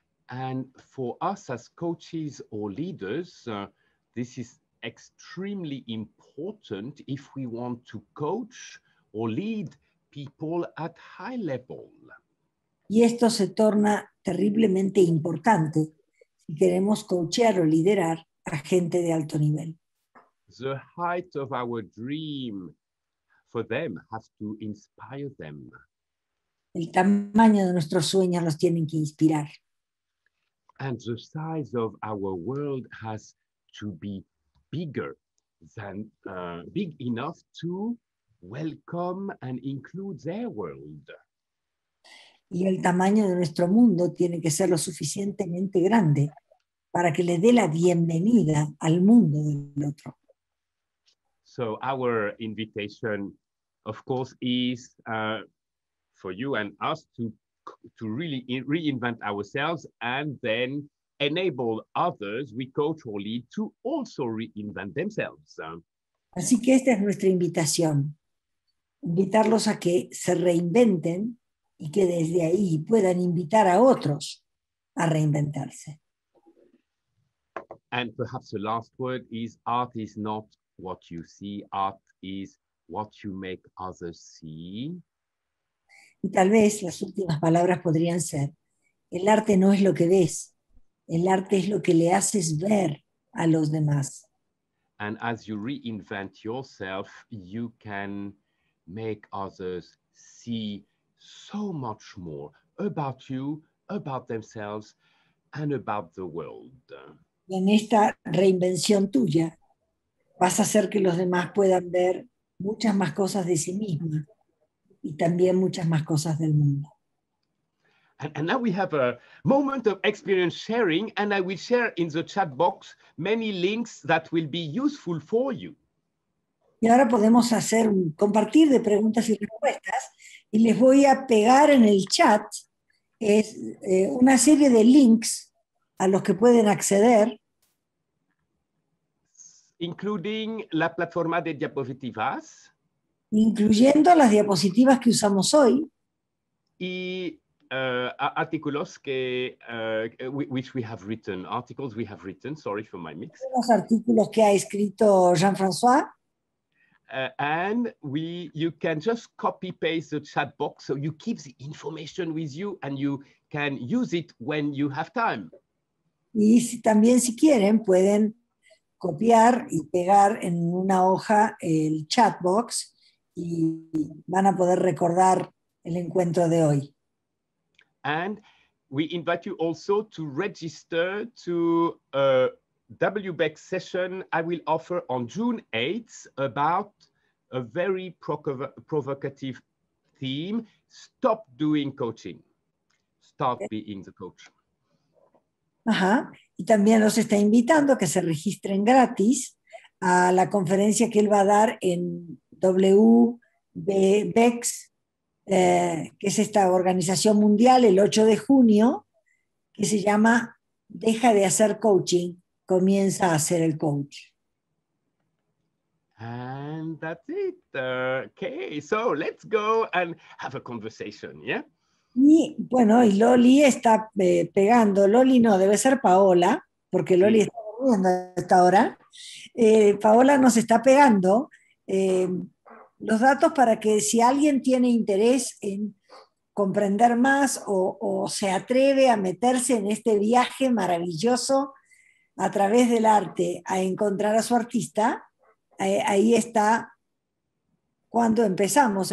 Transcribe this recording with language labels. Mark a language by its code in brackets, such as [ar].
[en] And for us as coaches or leaders, this is extremely important if we want to coach or lead people at high level. [es] Y esto se torna terriblemente importante si queremos coachear o liderar a gente de alto nivel. [en] The height of our dream for them has to inspire them. [es] El tamaño de nuestros sueños los tienen que inspirar. [en] And the size of our world has to be bigger than big enough to welcome and include their world. [es] Y el tamaño de nuestro mundo tiene que ser lo suficientemente grande para que le dé la bienvenida al mundo del otro. [en] So our invitation, of course, is for you and us to really reinvent ourselves and then enable others we coach or lead to also reinvent themselves. [es] Así que esta es nuestra invitación. Invitarlos a que se reinventen y que desde ahí puedan invitar a otros a reinventarse. [en] And perhaps the last word is art is not what you see, art is what you make others see. [es] Y tal vez las últimas palabras podrían ser, el arte no es lo que ves, el arte es lo que le haces ver a los demás. [en] And as you reinvent yourself, you can make others see so much more about you, about themselves, and about the world. [es] Y en esta reinvención tuya, vas a hacer que los demás puedan ver muchas más cosas de sí misma y también muchas más cosas del mundo. [en] And now we have a moment of experience sharing, and I will share in the chat box many links that will be useful for you. [es] Y ahora podemos hacer un compartir de preguntas y respuestas, y les voy a pegar en el chat una serie de links a los que pueden acceder. [en] Including [es] la plataforma de diapositivas. Incluyendo las diapositivas que usamos hoy. Y artículos que, [en] which we have written, articles we have written, sorry for my mix. [es] Los artículos que ha escrito Jean-François. [en] And we, you can just copy paste the chat box so you keep the information with you and you can use it when you have time. [es] Y si, también si quieren pueden copiar y pegar en una hoja el chat box y van a poder recordar el encuentro de hoy. [en] And we invite you also to register to a WBEC session I will offer on June 8th about a very provocative theme, stop doing coaching, start being the coach. Ajá. [es] Y también los está invitando a que se registren gratis a la conferencia que él va a dar en WBEX, que es esta organización mundial, el 8 de junio, que se llama Deja de hacer coaching, comienza a hacer el coach. [en] And that's it. Okay, so let's go and have a conversation, yeah? [es] Y bueno, y Loli está pegando. Loli no, debe ser Paola, porque Loli está durmiendo hasta ahora. Paola nos está pegando los datos para que si alguien tiene interés en comprender más o se atreve a meterse en este viaje maravilloso a través del arte a encontrar a su artista, ahí está cuando empezamos.